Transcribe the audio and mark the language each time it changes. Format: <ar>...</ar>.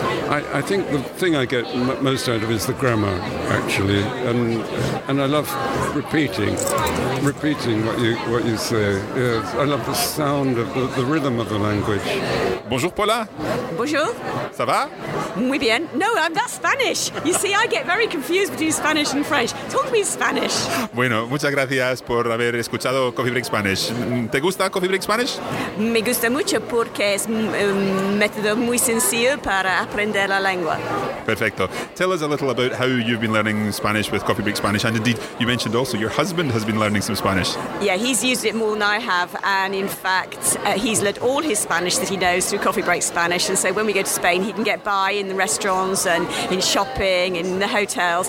<en>I think the thing I get most out of is the grammar, actually, and I love repeating what you say. Yes, I love the sound of the rhythm of the language.</en> <fr>Bonjour, Paula. Bonjour. Ça va?</fr> <es>Muy bien.</es> <en>No, that's Spanish. You see, I get very confused between Spanish and French. Talk to me in Spanish.</en> <es>Bueno, muchas gracias por haber escuchado Coffee Break Spanish. ¿Te gusta Coffee Break Spanish? Me gusta mucho porque es un método muy sencillo para aprender la lengua. Perfecto.</es> <en>Tell us a little about how you've been learning Spanish with Coffee Break Spanish. And indeed, you mentioned also your husband has been learning some Spanish. Yeah, he's used it more than I have. And in fact, he's learned all his Spanish that he knows through Coffee Break Spanish. And so when we go to Spain, he can get by in the restaurants and in shopping, in the hotels.</en>